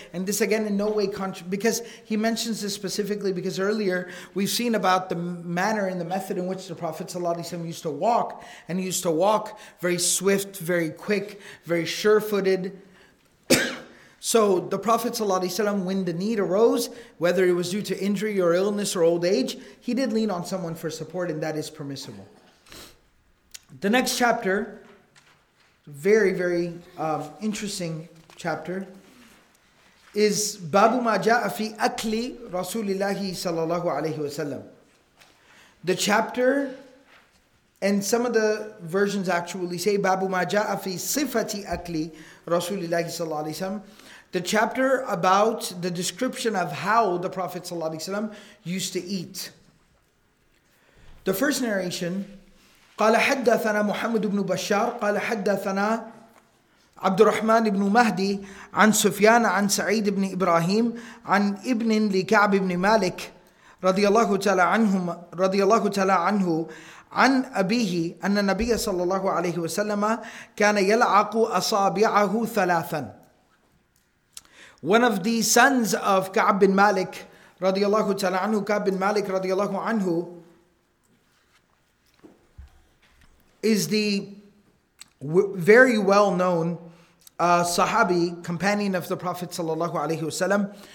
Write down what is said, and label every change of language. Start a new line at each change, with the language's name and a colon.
English: And this again in no way, because he mentions this specifically because earlier we've seen about the manner and the method in which the Prophet ﷺ used to walk. And he used to walk very swift, very quick, very sure-footed. So the Prophet ﷺ, when the need arose, whether it was due to injury or illness or old age, he did lean on someone for support, and that is permissible. The next chapter, very, very interesting chapter, is
Arabic: Babu ما جاء في أكل رسول الله صلى الله عليه وسلم.
English: The chapter, and some of the versions actually say
Arabic: Babu ما جاء في صفة أكل رسول الله صلى الله عليه وسلم.
English: The chapter about the description of how the Prophet
Arabic: صلى الله عليه وسلم
English: used to eat. The first narration,
Arabic: قال حدثنا محمد بن بشار قال حدثنا عبد الرحمن بن مهدي عن سفيان عن سعيد بن إبراهيم عن ابن لكعب بن مالك رضي الله تعالى عنهم رضي الله تعالى عنه عن أبيه أن النبي صلى الله عليه وسلم كان يلعق أصابعه ثلاثا.
English: One of the sons of كعب بن مالك
Arabic: رضي الله تعالى عنه
English: كعب بن مالك رضي الله عنه is the very well known Sahabi, companion of the Prophet sallallahu alaihi wasallam.